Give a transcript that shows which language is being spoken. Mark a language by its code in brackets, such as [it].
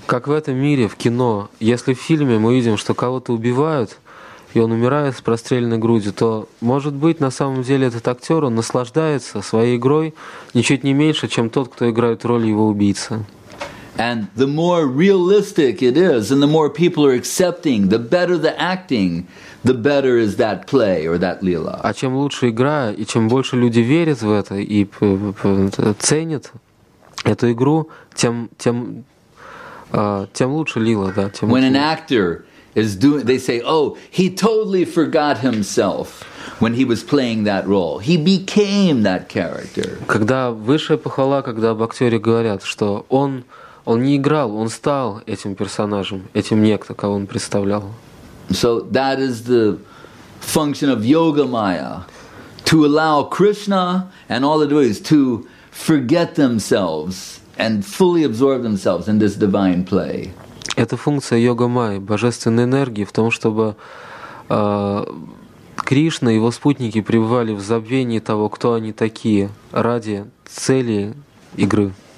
[ru] Как в этом мире, в кино, если в фильме мы видим, что кого-то убивают, и он умирает с простреленной грудью, то, может быть, на самом деле этот актер, он наслаждается своей игрой ничуть не меньше, чем тот, кто играет роль его убийцы. [en] And the more realistic it is, and the more people are accepting, the better the acting, the better is that play or that lila. [ru] А чем лучше игра, и чем больше люди верят в это и ценят эту игру, тем лучше лила, да. Тем [en] when an actor is doing, they say, oh, he totally forgot himself when he was playing that role. He became that character. [ru] Когда высшая похвала, когда об актере говорят, что он не играл, он стал этим персонажем, этим некто, кого он представлял. [en] So that is the function of yoga maya, to allow Krishna and all the devotees to forget themselves and fully absorb themselves in this divine play. [ru] Это функция йога майи, божественной энергии, в том, чтобы Кришна и его спутники пребывали в забвении того, кто они такие, ради цели игры.